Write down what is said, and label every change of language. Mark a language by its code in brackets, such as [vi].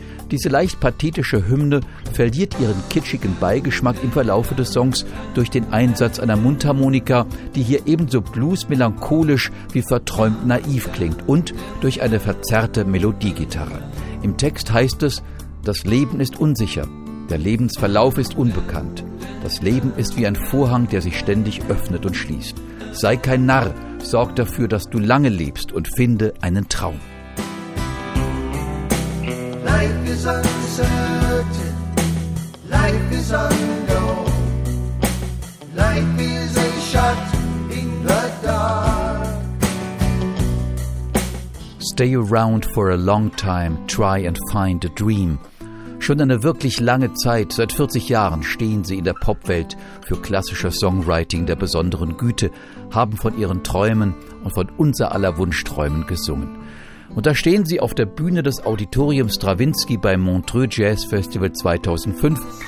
[de] Diese leicht pathetische Hymne verliert ihren kitschigen Beigeschmack im Verlaufe des Songs durch den Einsatz einer Mundharmonika, die hier ebenso bluesmelancholisch wie verträumt naiv klingt und durch eine verzerrte Melodiegitarre. Im Text heißt es: Das Leben ist unsicher, der Lebensverlauf ist unbekannt. Das Leben ist wie ein Vorhang, der sich ständig öffnet und schließt. Sei kein Narr, sorg dafür, dass du lange lebst und finde einen Traum. [en] Life is uncertain, life is unknown. Life is a shot in the dark. Stay around for a long time, try and find a dream. [de] Schon eine wirklich lange Zeit, seit 40 Jahren, stehen sie in der Popwelt für klassisches Songwriting der besonderen Güte, haben von ihren Träumen und von unser aller Wunschträumen gesungen. Und da stehen sie auf der Bühne des Auditoriums Stravinsky beim Montreux Jazz Festival 2005.